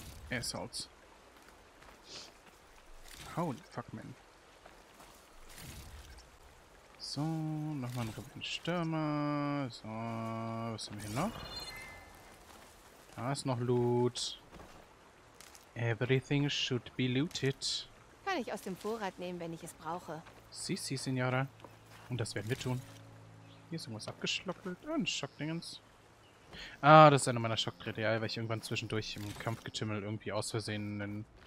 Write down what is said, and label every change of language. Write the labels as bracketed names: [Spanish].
[English] Assaults. Holy fuck, man. [German] So, nochmal ein Rebellenstürmer. So, was haben wir hier noch? Da ist noch Loot. [English] Everything should be looted. [German] Kann ich aus dem Vorrat nehmen, wenn ich es brauche. Si, si, Signora. Und das werden wir tun. Hier ist irgendwas abgeschlockelt. Und Schockdingens. Ah, das ist einer meiner Schockdrähte, ja, weil ich irgendwann zwischendurch im Kampfgetümmel irgendwie aus Versehen einen...